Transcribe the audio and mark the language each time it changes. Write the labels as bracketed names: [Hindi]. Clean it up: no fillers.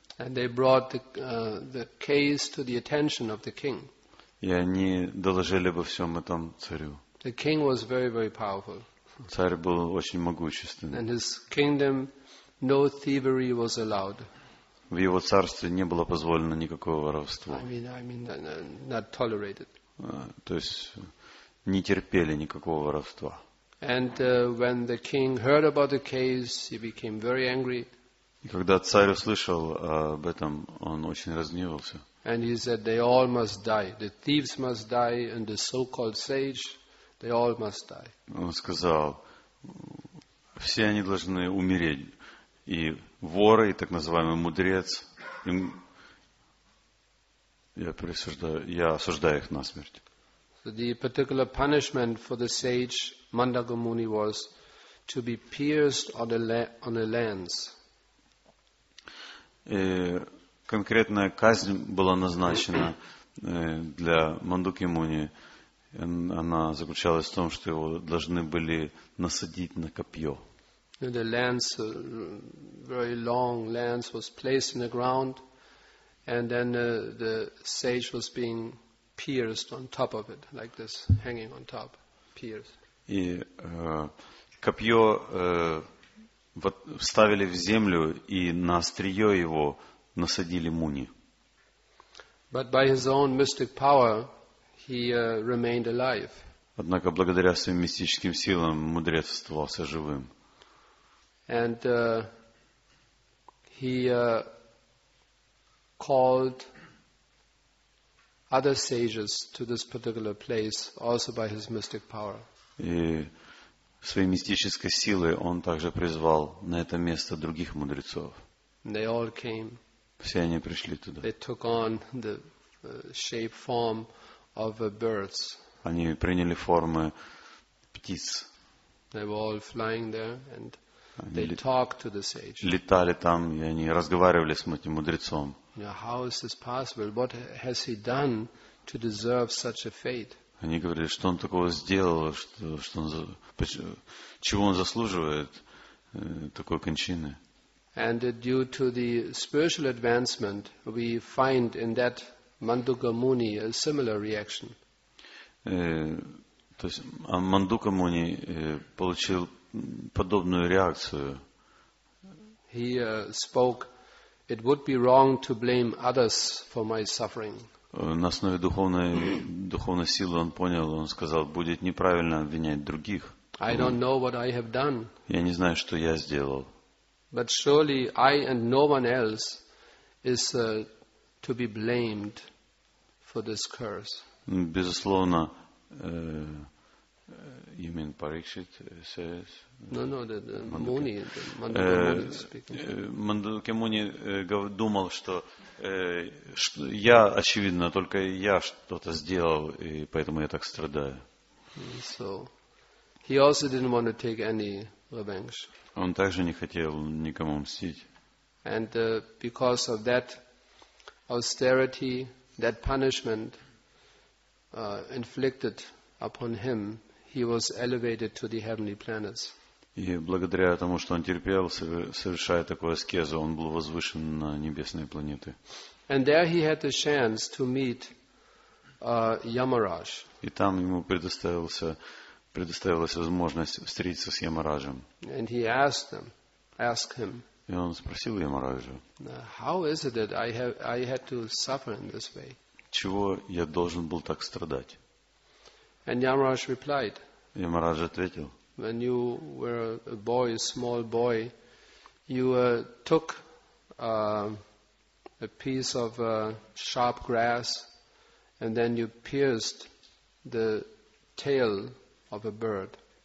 [English] And they brought the case to the attention of the king. [Russian] И они доложили обо всем этом царю. [English] The king was very, very powerful. [Russian] Царь был очень могущественным. [English] And his kingdom, no thievery was allowed. [Russian] В его царстве не было позволено никакого воровства. [English] Not tolerated. [Russian] То есть не терпели никакого воровства. [English] And when the king heard about the case, he became very angry. [Russian] И когда царь услышал об этом, он очень разгневался. [English] And he said, they all must die. The thieves must die and the so-called sage, they all must die. [Russian] Он сказал, все они должны умереть. И воры, и так называемый мудрец, им я осуждаю их насмерть. [English] So the particular punishment for the sage Mandakamuni was to be pierced on a lance. [Russian] И конкретная казнь была назначена для Мандуки Муни. Она заключалась в том, что его должны были насадить на копье. [English] The lance, very long lance, was placed in the ground, and then the sage was being pierced on top of it, like this, hanging on top, pierced. [Russian] И копье вот вставили в землю и на острие его насадили Муни. [English] But by his own mystic power, he remained alive. [Russian] Однако благодаря своим мистическим силам мудрец оставался живым. [English] And he called other sages to this particular place also by his mystic power. [Russian] И своей мистической силой он также призвал на это место других мудрецов. [English] They all came. [Russian] Все они пришли туда. [English] They took on the shape form of birds. [Russian] Они приняли формы птиц. [English] They were all flying there and they talked to the sage. [Russian] Летали там, и они разговаривали с этим мудрецом. [English] How is this possible? What has he done to deserve such a fate? [Russian] Они говорили, что он такого сделал, что он, чего он заслуживает такой кончины. [English] And due to the spiritual advancement, we find in that Mandaka Muni a similar reaction. [Russian] То есть Мандака Муни получил подобную реакцию. [English] He spoke, it would be wrong to blame others for my suffering. [Russian] На основе духовной силы он понял, он сказал, будет неправильно обвинять других. [English] I don't know what I have done. [Russian] Я не знаю, что я сделал. [English] But surely I and no one else is to be blamed for this curse. [Russian] Безусловно, [English] you mean Parikshit says? No, the Muni, the Mandaka Muni speaking. [Russian] Mandaka Muni думал, что я, очевидно, только я что-то сделал, и поэтому я так страдаю. [English] So, he also didn't want to take any revenge. [Russian] Он также не хотел никому мстить. [English] And because of that austerity, that punishment inflicted upon him, he was elevated to the heavenly planets. [Russian] И благодаря тому, что он терпел, совершая такую аскезу, он был возвышен на небесные планеты. [English] And there he had the chance to meet [Russian] Ямарадж. И там ему предоставилась возможность встретиться с Ямараджем. [English] And he asked them, ask him. [Russian] И он спросил Ямараджа. [English] How is it that I had to suffer in this way? [Russian] Чего я должен был так страдать? [English] And Ямарадж replied. [Russian] Ямарадж ответил. [English] When you were a boy, a small boy, you took a piece of sharp grass, and then you pierced the tail of a bird.